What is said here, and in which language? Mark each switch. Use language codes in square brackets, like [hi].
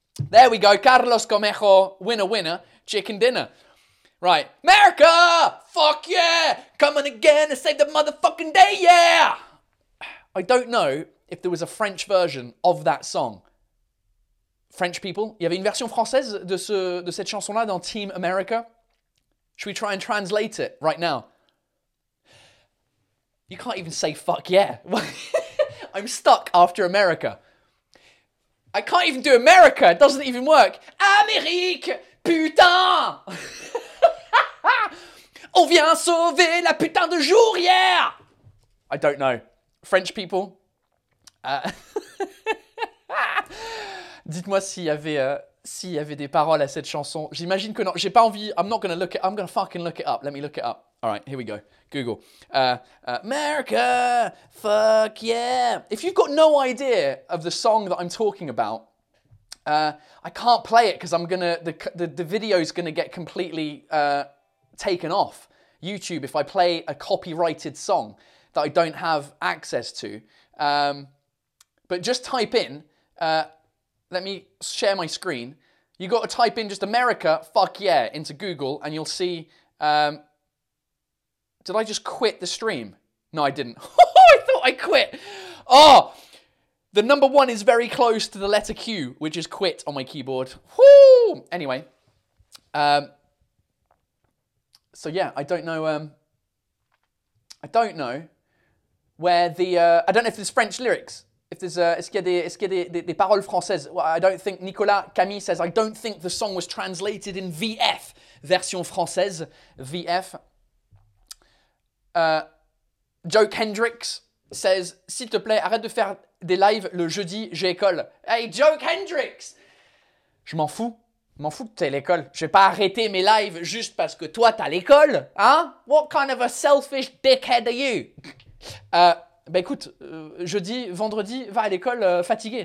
[en] There we go. Carlos Comejo, winner, winner, chicken dinner. Right. America! Fuck yeah! Coming again to save the motherfucking day, yeah! I don't know if there was a French version of that song. French people? [fr] Il y avait une version française de cette chanson-là dans Team America? [en] Should we try and translate it right now? You can't even say fuck yeah. I'm stuck after America. I can't even do America. It doesn't even work. [fr] Amérique! Putain! On vient sauver la putain de jour, yeah! [en] I don't know. French people? [fr] Dites-moi s'il y avait des paroles à cette chanson. J'imagine que non. J'ai pas envie. [en] I'm not gonna look it. I'm gonna fucking look it up. Let me look it up. All right, here we go. Google. America, fuck yeah. If you've got no idea of the song that I'm talking about, I can't play it because the video's gonna get completely taken off YouTube if I play a copyrighted song that I don't have access to. But just type in, let me share my screen. You got to type in just America, fuck yeah, into Google and you'll see, did I just quit the stream? No, I didn't. I thought I quit. Oh, the number one is very close to the letter Q, which is quit on my keyboard. Woo! Anyway, so yeah, I don't know. I don't know where the. I don't know if there's French lyrics. If there's. [fr] Est-ce qu'il y a des paroles françaises? [en] Well, I don't think. Nicolas Camille says I don't think the song was translated in VF version française. [fr] VF. [en] Joe Kendricks says, [fr] s'il te plaît, arrête de faire des lives le jeudi. J'ai école. Hey, Joe Kendricks. Je m'en fous. Je m'en fous que t'aies l'école. Je vais pas arrêter mes lives juste parce que toi, t'as l'école. Hein? [en] What kind of a selfish dickhead are you? [fr] Bah écoute, jeudi, vendredi, va à l'école fatigué.